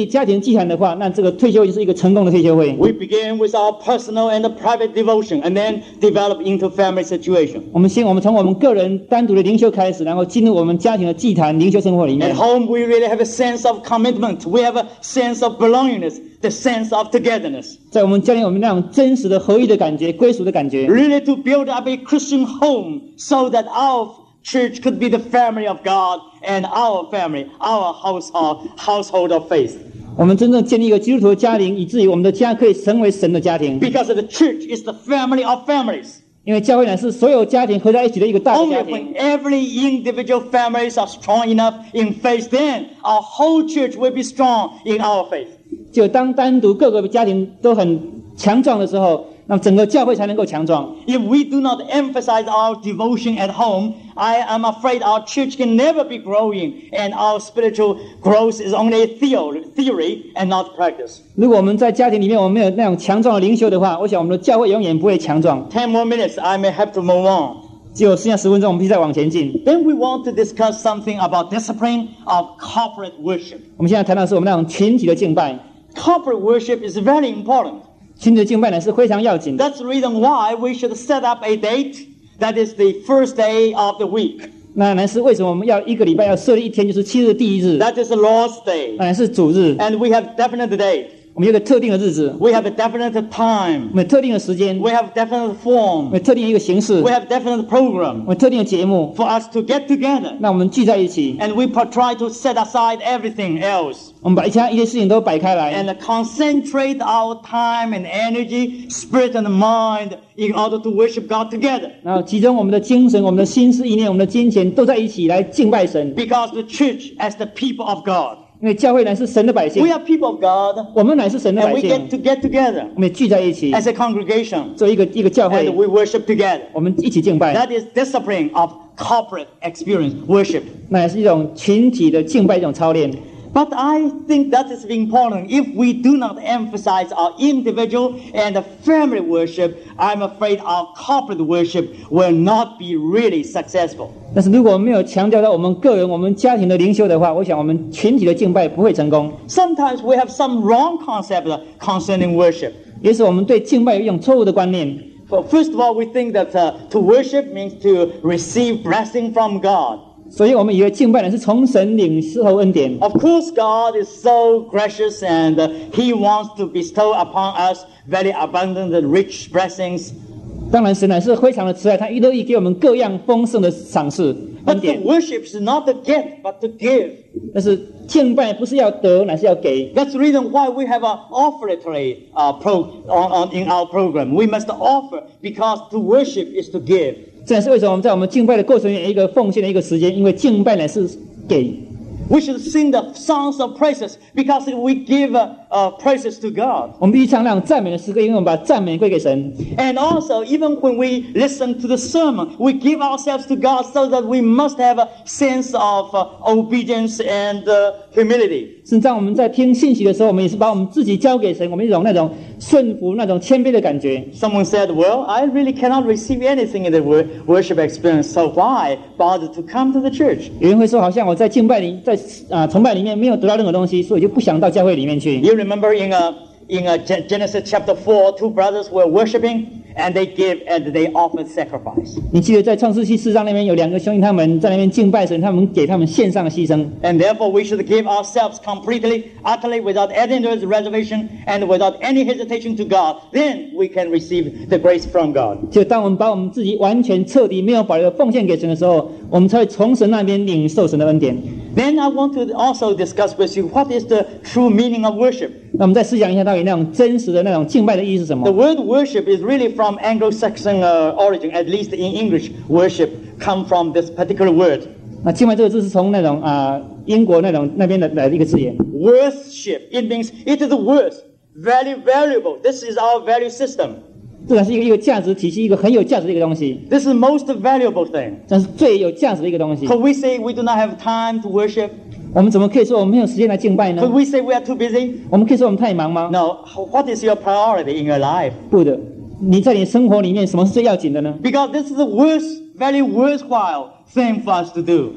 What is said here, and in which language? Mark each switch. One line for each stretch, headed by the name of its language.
Chinese: 我想你们记得,也许你会忘记我讲了很多话,但是如果你们只要记得在家里面建立家庭祭坛的话,那这个退休就是一个成功的退休会。
English: We begin with our personal and private devotion, and then develop into family situation.
Chinese: 我们从我们个人单独的灵修开始,然后进入我们家庭的祭坛,灵修生活里面。
English: At home, we really have a sense of commitment, we have a sense of belongingness, the sense of togetherness.
Chinese: 在我们家里,我们那种真实的合一的感觉,归属的感觉。
English: Really to build up a Christian home, so that our church could be the family of God and our family, our household of faith.
Chinese: 我们真正建立一个基督徒的家庭，以至于我们的家可以成为神的家庭。
English: Because the church is the family of families.
Chinese: 因为教会乃是所有家庭合在一起的一个大家庭。
English: Only when every individual families are strong enough in faith, then our whole church will be strong in our faith.
Chinese: 就当单独各个家庭都很强壮的时候。
English: If we do not emphasize our devotion at home, I am afraid our church can never be growing, and our spiritual growth is only theory and not practice.
Chinese: 如果我们在家庭里面我们没有那种强壮的灵修的话，我想我们的教会永远不会强壮。
English: 10 more minutes, I may have to move on.
Chinese: 只有剩下10分钟，我们必须再往前进。
English: Then we want to discuss something about discipline of corporate worship.
Chinese: 我们现在谈到是我们那种群体的敬拜。
English: Corporate worship is very important.
Chinese: 亲自敬拜呢是非常要紧的。
English: That's the reason why we should set up a date that is the first day of the week.
Chinese: 那乃是为什么我们要一个礼拜要设立一天，就是七日第一日。
English: That is the Lord's day.
Chinese: 乃是主日。
English: And we have definite date.
Chinese: 我们有个特定的日子。
English: We have a definite time.
Chinese: 我们有特定的时间。
English: We have definite form.
Chinese: 我们有特定一个形式。
English: We have definite program.
Chinese: 我们有特定的节目。
English: For us to get together.
Chinese: 那我们聚在一起。
English: And we try to set aside everything else.
Chinese: 我们把一切事情都摆开来。
English: And concentrate our time and energy, spirit and mind in order to worship God together.
Chinese: 然后集中我们的精神、我们的心思、意念、我们的金钱都在一起来敬拜神。
English: Because the church as the people of God.
Chinese: 因为教会乃是神的百姓。
English: We are people of God.
Chinese: 我们乃是神的百姓。
English: And we get to get together.
Chinese: 我们聚在一起。
English: As a congregation.
Chinese: 做一个教会。
English: And we worship together.
Chinese: 我们一起敬拜。
English: That is discipline of corporate experience, worship.
Chinese: 乃是一种群体的敬拜，一种操练。
English: But I think that is important. If we do not emphasize our individual and family worship, I'm afraid our corporate worship will not be really successful.
Chinese: 但是如果我们没有强调到我们个人、我们家庭的灵修的话，我想我们群体的敬拜不会成功。
English: Sometimes we have some wrong concept concerning worship.
Chinese: 也是我们对敬拜有一种错误的观念。
English: Well, first of all, we think that to worship means to receive blessing from God.
Chinese: 所以我们以为敬拜人是从神领受恩典。
English: Of course, God is so gracious and He wants to bestow upon us very abundant and rich blessings.
Chinese: 当然，神乃是非常的慈爱，他乐意给我们各样丰盛的赏赐。
English: But the worship is not to get, but to give.
Chinese: 但是敬拜不是要得，乃是要给。
English: That's the reason why we have an offertory in our program. We must offer because to worship is to give.
Chinese: 这也是为什么我们在我们敬拜的过程中有一个奉献的一个时间，因为敬拜乃是给。
English: We should sing the songs of praises because we give praises to God.
Chinese: 我们必须唱那种赞美的诗歌，因为我们把赞美归给神。
English: And also, even when we listen to the sermon, we give ourselves to God so that we must have a sense of obedience and humility.
Chinese: 甚至我们在听信息的时候，我们也是把我们自己交给神，我们一种那种顺服、那种谦卑的感觉。
English: Someone said, "Well, I really cannot receive anything in the worship experience, so why bother to come to the church?"
Chinese: 有人会说，好像我在敬拜里。崇拜里面没有得到任何东西，所以就不想到教会里面去。
English: You remember in Genesis chapter 4, two brothers were worshiping and they gave and they offered sacrifice.
Chinese: 你记得在创世纪四章那边有两个兄弟，他们在那边敬拜神，他们给他们献上了牺牲。
English: And therefore we should give ourselves completely, utterly, without any reservation and without any hesitation to God. Then we can receive the grace from God.
Chinese: 就当我们把我们自己完全彻底没有保留的奉献给神的时候，我们才会从神那边领受神的恩典。
English: Then I want to also discuss with you what is the true meaning of worship.
Chinese: 那我们再思想一下，到底那种真实的那种敬拜的意思是什么？
English: The word worship is really from Anglo-Saxon origin, at least in English. Worship come from this particular word.
Chinese: 那敬拜这个字是从那种英国那边的来的一个字眼。
English: Worship, it means it is worth, very valuable. This is our value system.
Chinese: 这是一个价值体系，一个很有价值的一个东西。
English: This is most valuable thing.
Chinese: 这是最有价值的一个东西。
English: Could we say we do not have time to worship?
Chinese: 我们怎么可以说我们没有时间来敬拜呢？
English: Could we say we are too busy?
Chinese: 我们可以说我们太忙吗？
English: No. What is your priority in your life?
Chinese: 不的，你在你生活里面什么是最要紧的呢？
English: Because this is the worst, very worthwhile thing for us to do.